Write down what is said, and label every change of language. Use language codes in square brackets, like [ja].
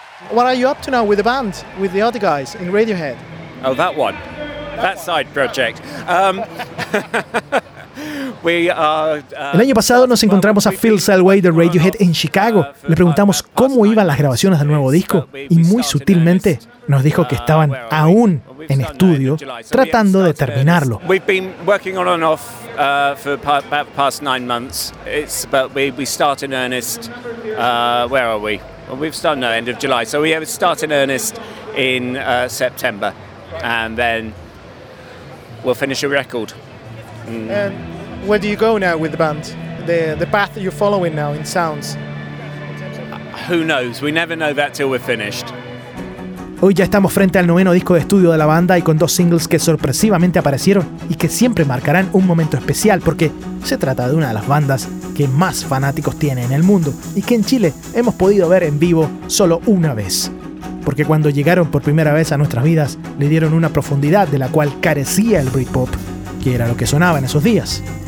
[en] what are you up to now with the band, with the other guys in Radiohead? Oh, that one. That side project. [es] El año pasado nos encontramos a Phil Selway de Radiohead en Chicago. Le preguntamos cómo iban las grabaciones del nuevo disco y muy sutilmente nos dijo que estaban aún en estudio tratando de terminarlo. [en] We've been working on and off for about the past 9 months. It's about we start in earnest. Where are we? Well, we've started no end of July. So we start in earnest in September, and then we'll finish a record. And where do you go now with the band? The path that you're following now in sounds? Who knows? We never know that till we're finished. [es] Hoy ya estamos frente al noveno disco de estudio de la banda y con dos singles que sorpresivamente aparecieron y que siempre marcarán un momento especial porque se trata de una de las bandas que más fanáticos tiene en el mundo y que en Chile hemos podido ver en vivo solo una vez. Porque cuando llegaron por primera vez a nuestras vidas, le dieron una profundidad de la cual carecía el Britpop, que era lo que sonaba en esos días.